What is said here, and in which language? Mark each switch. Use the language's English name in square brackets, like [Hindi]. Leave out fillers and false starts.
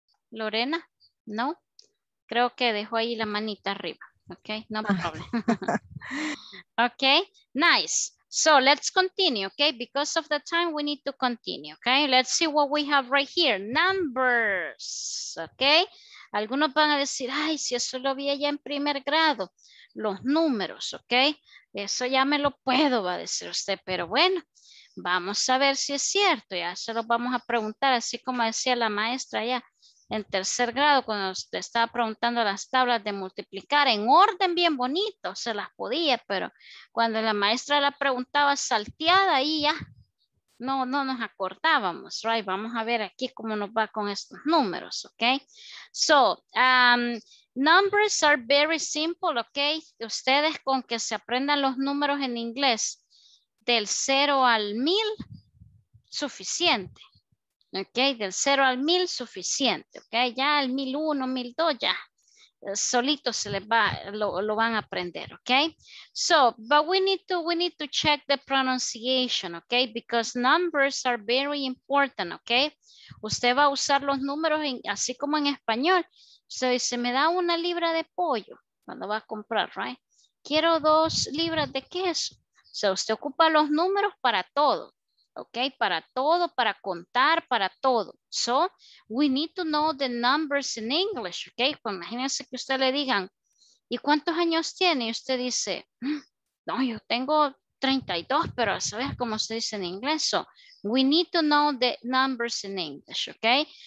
[Spanish] Lorena, no. Creo que dejó ahí la manita arriba. [English] Okay, no problem. Okay, nice. So let's continue, okay? Because of the time, we need to continue, okay? Let's see what we have right here. Numbers, okay? [Spanish] Algunos van a decir, ay, si eso lo vi allá en primer grado. Los números, okay? Eso ya me lo puedo, va a decir usted. Pero bueno, vamos a ver si es cierto. Ya se lo vamos a preguntar, así como decía la maestra allá en tercer grado, cuando usted estaba preguntando las tablas de multiplicar en orden bien bonito, se las podía, pero cuando la maestra la preguntaba salteada, ahí ya no nos acordábamos, right? Vamos a ver aquí cómo nos va con estos números, ok? [English] So, numbers are very simple, ok? [Spanish] Ustedes con que se aprendan los números en inglés del 0 al 1000, suficiente. Ok, del 0 al 1000 suficiente, ok, ya el 1001, 1002 ya, solito se les va, lo van a aprender, ok. [English] So, but we need to check the pronunciation, ok, because numbers are very important, ok. [Spanish] Usted va a usar los números en, así como en español, so, se me da una libra de pollo cuando va a comprar, right? Quiero 2 libras de queso, so, usted ocupa los números para todo. Ok, para todo, para contar, para todo. [English] So, we need to know the numbers in English, ok. [Spanish] Pues imagínense que usted le digan, ¿y cuántos años tiene? Y usted dice, no, yo tengo 32, pero ¿sabes cómo se dice en inglés? [English] So, we need to know the numbers in English, ok.